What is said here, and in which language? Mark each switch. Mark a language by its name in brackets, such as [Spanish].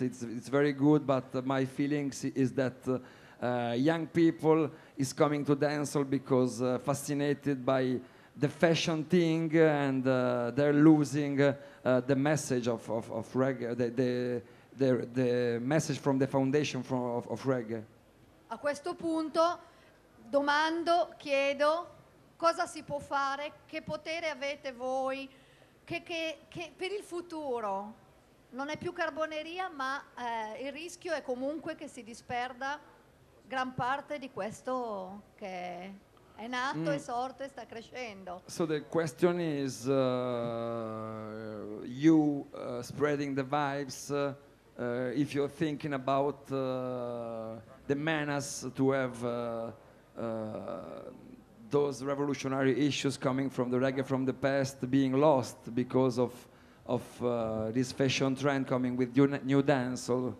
[English] It's very good, but my feelings is that young people is coming to dancehall because fascinated by the fashion thing, and they're losing the message of reggae, the message from the foundation of reggae. [Italian] A questo punto domando, chiedo, cosa si può fare, che potere avete voi che per il futuro? Non è più carboneria, ma il rischio è comunque che si disperda gran parte di questo che è nato, è sorto e sta crescendo. [English] So the question is you spreading the vibes if you're thinking about the menace to have those revolutionary issues coming from the reggae from the past being lost because of this fashion trend coming with new dance.